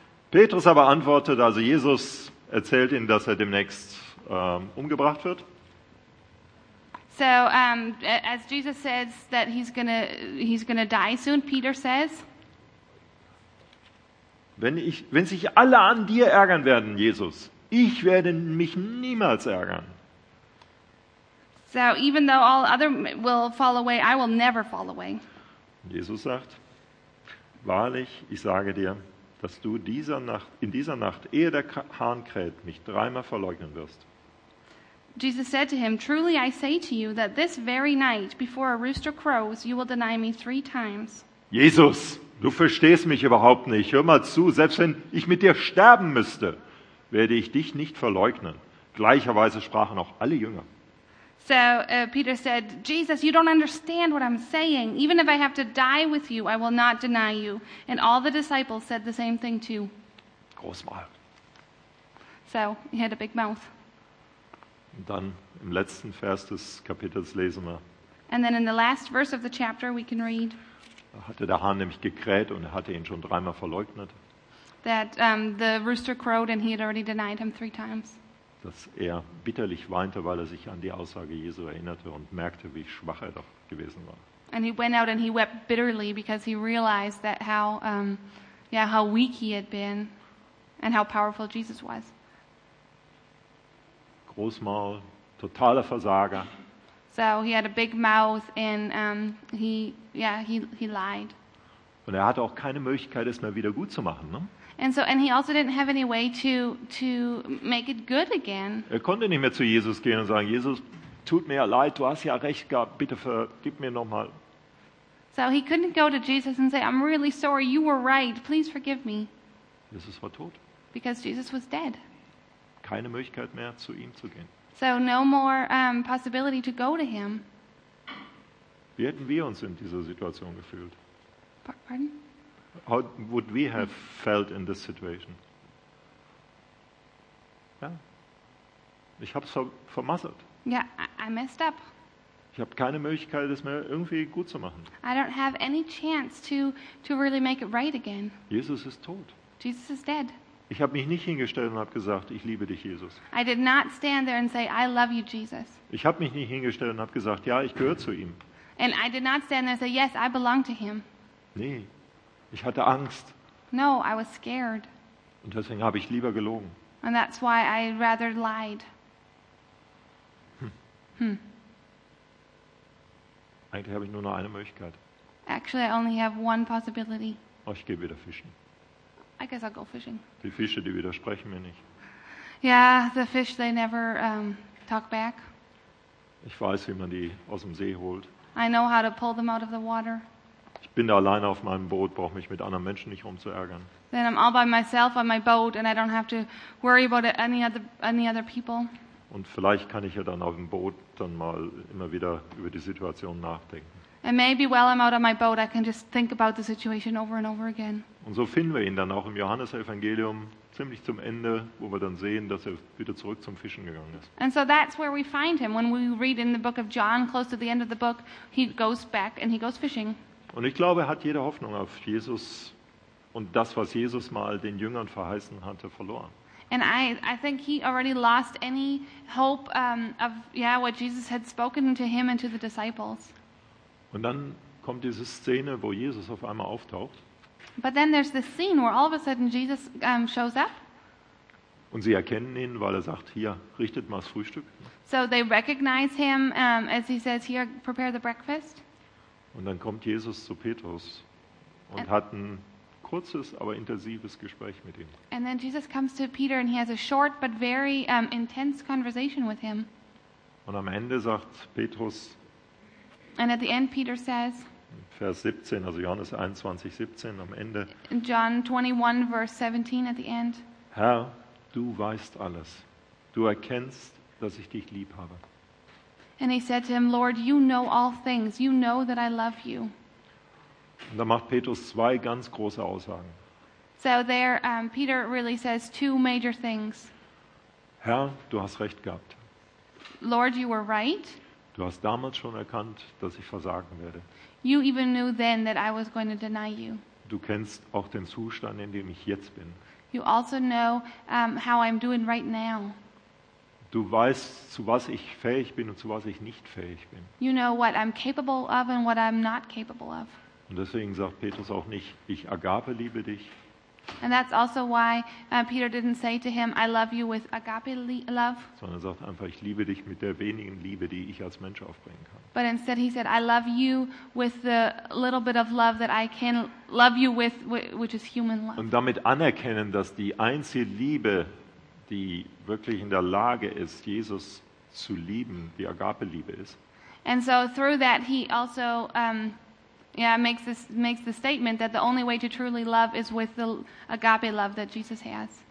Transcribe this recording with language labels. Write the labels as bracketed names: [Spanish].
[German] Petrus aber antwortet, also Jesus erzählt ihnen, dass er demnächst umgebracht wird. [English] So as Jesus says that he's gonna die soon, Peter says. [German] Wenn sich alle an dir ärgern werden, Jesus, ich werde mich niemals ärgern. [English] So even though all other will fall away, I will never fall away. [German] Jesus sagt, wahrlich, ich sage dir, dass du in dieser Nacht, ehe der Hahn kräht, mich dreimal verleugnen wirst. [English] Jesus said to him, truly I say to you that this very night, before a rooster crows, you will deny me three times. [German] Jesus, du verstehst mich überhaupt nicht. Hör mal zu, selbst wenn ich mit dir sterben müsste, werde ich dich nicht verleugnen. Gleicherweise sprachen auch alle Jünger. [English] So Peter said, Jesus, you don't understand what I'm saying. Even if I have to die with you, I will not deny you. And all the disciples said the same thing too. [German] Großmal. [English] So he had a big mouth. [German] Und dann im letzten Vers des Kapitels lesen wir. [English] And then in the last verse of the chapter we can read. [German] Da hatte der Hahn nämlich gekräht und er hatte ihn schon dreimal verleugnet. [English] That the rooster crowed and he had already denied him three times. [German] Dass er bitterlich weinte, weil er sich an die Aussage Jesu erinnerte und merkte, wie schwach er doch gewesen war. [English] And he went out and he wept bitterly because he realized that how how weak he had been and how powerful Jesus was. [German] Großmaul, totaler Versager. [English] So he had a big mouth and he lied. [German] Und er hatte auch keine Möglichkeit, es mehr wieder gut zu machen, ne? [English] And so, and he also didn't have any way to make it good again. [German] Er konnte nicht mehr zu Jesus gehen und sagen, Jesus, tut mir ja leid, du hast ja recht gehabt, bitte vergib mir nochmal. [English] So he couldn't go to Jesus and say, I'm really sorry, you were right, please forgive me. [German] Jesus war tot. [English] Because Jesus was dead. [German] Keine Möglichkeit mehr, zu ihm zu gehen. [English] So no more possibility to go to him. [German] Wie hätten wir uns in dieser Situation gefühlt? [English] Pardon? How would we have felt in this situation? [German] Ja. Ich habe es vermasselt. [English] Yeah, I messed up. [German] Ich habe keine Möglichkeit, das mehr irgendwie gut zu machen. [English] I don't have any chance to really make it right again. [German] Jesus ist tot. [English] Jesus is dead. [German] Ich habe mich nicht hingestellt und habe gesagt, ich liebe dich, Jesus. [English] I did not stand there and say, I love you, Jesus. [German] Ich habe mich nicht hingestellt und habe gesagt, ja, ich gehöre zu ihm. [English] And I did not stand there and say, yes, I belong to him. [German] Nee. Ich hatte Angst. [English] No, I was scared. [German] Und deswegen habe ich lieber gelogen. [English] And that's why I rather lied. [German] Eigentlich habe ich nur noch eine Möglichkeit. [English] Actually, I only have one possibility. [German] Oh, ich gehe wieder fischen. [English] I guess I'll go fishing. [German] Die Fische, die widersprechen mir nicht. [English] Yeah, the fish, they never talk back. [German] Ich weiß, wie man die aus dem See holt. [English] I know how to pull them out of the water. [German] Ich bin da alleine auf meinem Boot, brauche mich mit anderen Menschen nicht rumzuärgern. [English] Then I'm all by myself on my boat and I don't have to worry about any other people. [German] Und vielleicht kann ich ja dann auf dem Boot dann mal immer wieder über die Situation nachdenken. [English] And maybe while I'm out on my boat I can just think about the situation over and over again. [German] Und so finden wir ihn dann auch im Johannesevangelium ziemlich zum Ende, wo wir dann sehen, dass er wieder zurück zum Fischen gegangen ist. [English] And so that's where we find him when we read in the book of John close to the end of the book, he goes back and he goes fishing. [German] Und ich glaube, er hat jede Hoffnung auf Jesus und das, was Jesus mal den Jüngern verheißen hatte, verloren. [English] And I think he already lost any hope of yeah what Jesus had spoken to him and to the disciples. [German] Und dann kommt diese Szene, wo Jesus auf einmal auftaucht. [English] But then there's this scene where all of a sudden Jesus shows up. [German] Und sie erkennen ihn, weil er sagt, hier, richtet mal das Frühstück. [English] So they recognize him as he says, here, prepare the breakfast. [German] Und dann kommt Jesus zu Petrus und hat ein kurzes, aber intensives Gespräch mit ihm. [English] And then Jesus comes to Peter and he has a short but very intense conversation with him. [German] Und am Ende sagt Petrus, [English] and at the end Peter says, [German] Vers 17, also Johannes 21, 17 am Ende, [English] John 21, verse 17 at the end, [German] Herr, du weißt alles. Du erkennst, dass ich dich lieb habe. [English] And he said to him, Lord, you know all things. You know that I love you. [German] Und da macht Petrus zwei ganz große Aussagen. [English] So there, Peter really says two major things. [German] Herr, du hast recht gehabt. [English] Lord, you were right. [German] Du hast damals schon erkannt, dass ich versagen werde. [English] You even knew then that I was going to deny you. [German] Du kennst auch den Zustand, in dem ich jetzt bin. [English] You also know how I'm doing right now. [German] Du weißt, zu was ich fähig bin und zu was ich nicht fähig bin. [English] You know what I'm capable of and what I'm not capable of. [German] Und deswegen sagt Petrus auch nicht, ich agape liebe dich. [English] And that's also why Peter didn't say to him, I love you with agape love. [German] Sondern sagt einfach, ich liebe dich mit der wenigen Liebe, die ich als Mensch aufbringen kann. [English] But instead he said, I love you with the little bit of love that I can love you with, which is human love. [German] Und damit anerkennen, dass die einzige Liebe, die wirklich in der Lage ist, Jesus zu lieben, die Agape-Liebe ist. [English] And so through that he also makes the statement that the only way to truly love is with the agape love that Jesus has.